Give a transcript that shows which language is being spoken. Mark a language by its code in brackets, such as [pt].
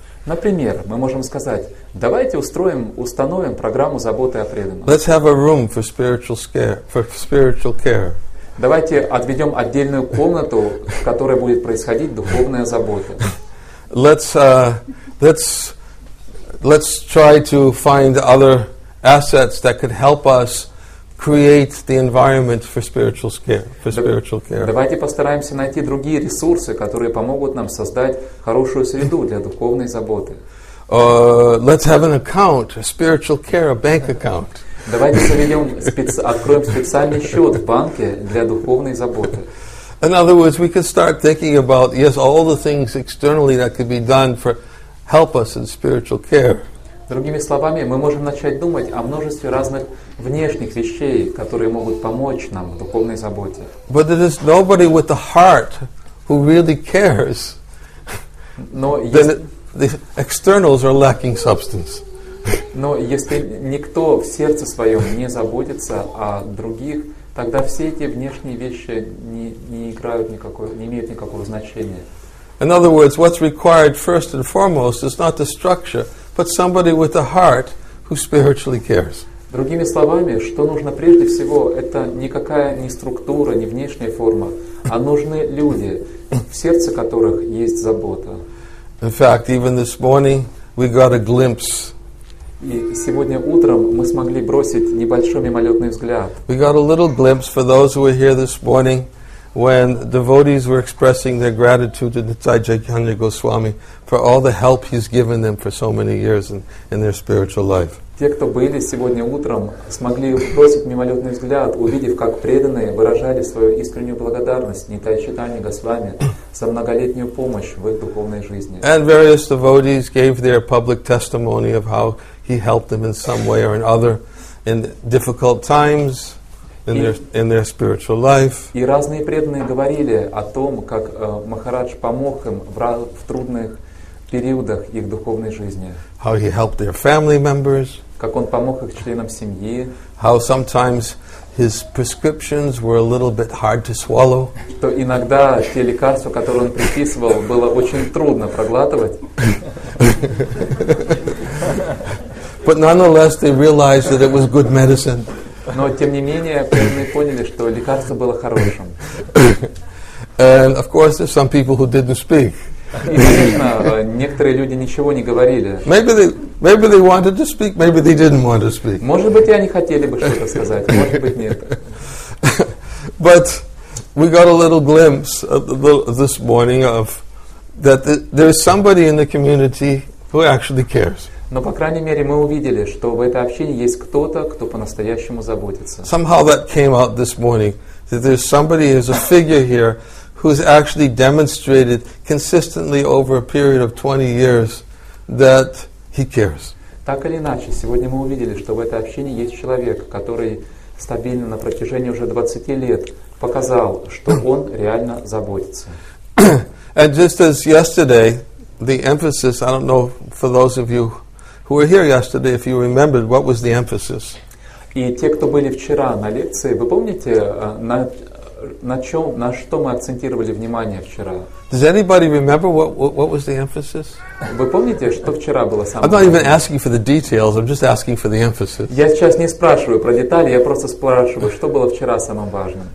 [ru] Например, мы можем сказать, давайте установим программу заботы о преданном. [en] Let's have a room for spiritual care. [ru] Давайте отведем отдельную комнату, в которой будет происходить духовная забота. [en] Let's try to find other assets that could help us create the environment for spiritual care. [ru] Давайте постараемся найти другие ресурсы, которые помогут нам создать хорошую среду для духовной заботы. [en] Let's have an account, a spiritual care, a bank account. [ru] Давайте откроем специальный счет в банке для духовной заботы. [en] In other words, we could start thinking about, yes, all the things externally that could be done for help us in spiritual care. [ru] Другими словами, мы можем начать думать о множестве разных внешних вещей, которые могут помочь нам в духовной заботе. [en] But there is nobody with the heart who really cares. Then the externals are lacking substance. [ru] Но если никто в сердце своем не заботится о других, тогда все эти внешние вещи не имеют никакого значения. [en] In other words, what's required first and foremost is not the structure, but somebody with a heart who spiritually cares. [ru] Другими словами, что нужно прежде всего, это никакая не структура, не внешняя форма, а нужны люди, в сердце которых есть забота. [en] In fact, even this morning we got a glimpse. [ru] И сегодня утром мы смогли бросить небольшой мимолетный взгляд. [en] We got a little glimpse for those who were here this morning when devotees were expressing their gratitude to Nityai Chaitanya Goswami for all the help he's given them for so many years in their spiritual life. [ru] Те, кто были сегодня утром, смогли бросить мимолетный взгляд, увидев, как преданные выражали свою искреннюю благодарность Нитай Чайтанья Госвами за многолетнюю помощь в их духовной жизни. [en] And various devotees gave their public testimony of how he helped them in some way or another in difficult times in their spiritual life. [ru] И разные преданные говорили о том, как Махарадж помог им в трудных периодах их духовной жизни. [en] How he helped their family members. [ru] как он помог их членам семьи. [en] How sometimes his prescriptions were a little bit hard to swallow. [ru] То иногда те лекарства, которые он приписывал, было очень трудно проглатывать. [en] But nonetheless, they realized that it was good medicine. [ru] Но тем не менее, они поняли, что лекарство было хорошим. [en] And of course, there's some people who didn't speak. [ru] Некоторые люди ничего не говорили. [en] Maybe they wanted to speak, maybe they didn't want to speak. [ru] Может быть, они хотели бы что-то сказать, может быть, нет. [en] But we got a little glimpse this morning of that there is somebody in the community who actually cares. [ru] Но по крайней мере мы увидели, что в этой общине есть кто-то, кто по-настоящему заботится. [en] Somehow that came out this morning that there's somebody, there's a figure here. Who's actually demonstrated consistently over a period of 20 years that he cares. [ru] Так или иначе, сегодня мы увидели, что в этой общине есть человек, который стабильно на протяжении уже 20 лет показал, что он реально заботится. [en] And just as yesterday, the emphasis, I don't know for those of you who were here yesterday, if you remembered, what was the emphasis? [ru] И те, кто были вчера на лекции, вы помните, на что мы акцентировали внимание вчера? [en] Does anybody remember what was the emphasis? [ru] Вы помните, что вчера было самое? [en] I'm not even asking for the details. I'm just asking for the emphasis. [ru] Я сейчас не спрашиваю про детали. Я просто спрашиваю, что было вчера самым важным.